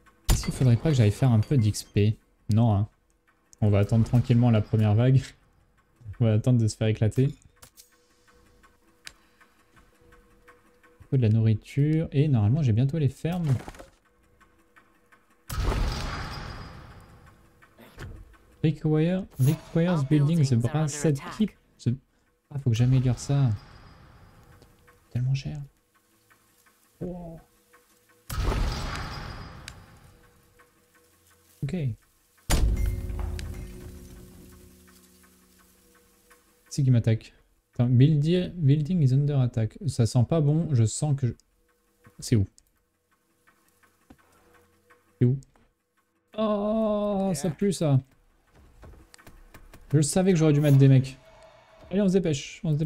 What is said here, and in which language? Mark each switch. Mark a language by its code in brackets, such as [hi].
[fr] Est-ce qu'il faudrait pas que j'aille faire un peu d'XP? Non, hein. On va attendre tranquillement la première vague. On va attendre de se faire éclater. Un peu de la nourriture. Et normalement, j'ai bientôt les fermes. [en] Requires building the brasset keep. [fr] Ah, faut que j'améliore ça. Tellement cher. Ok. C'est qui m'attaque? Attends, [en] building is under attack. [fr] Ça sent pas bon, je sens que je... C'est où? C'est où? Oh, ça pue ça. Je savais que j'aurais dû mettre des mecs. Allez, on se dépêche.